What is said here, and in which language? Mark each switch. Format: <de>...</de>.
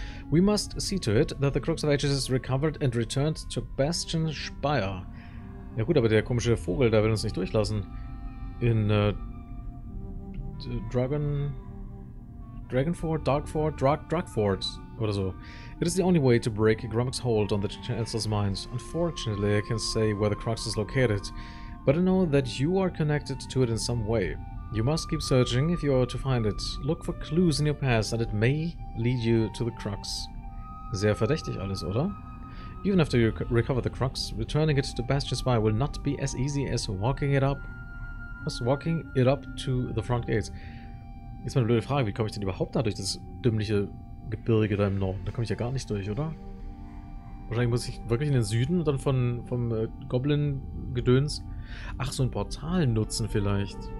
<en>We must see to it that the Crux of Ages is recovered and returned to Bastion Spire.</en> <de>Ja gut, aber der komische Vogel, der will uns nicht durchlassen. In Dragfort oder so.</de> <en>It is the only way to break Grummock's hold on the Chancellor's mind. Unfortunately, I can't say where the Crux is located, but I know that you are connected to it in some way. You must keep searching if you are to find it. Look for clues in your past and it may lead you to the Crux.</en> <de>Sehr verdächtig alles, oder?</de> <en>Even after you recover the Crux, returning it to Bastion Spire will not be as easy as walking it up to the front gates.</en> <de>Jetzt mal eine blöde Frage, wie komme ich denn überhaupt da durch das dümmliche Gebirge da im Norden? Da komme ich ja gar nicht durch, oder? Wahrscheinlich muss ich wirklich in den Süden und dann vom Goblin-Gedöns. Ach, so ein Portal nutzen vielleicht.</de>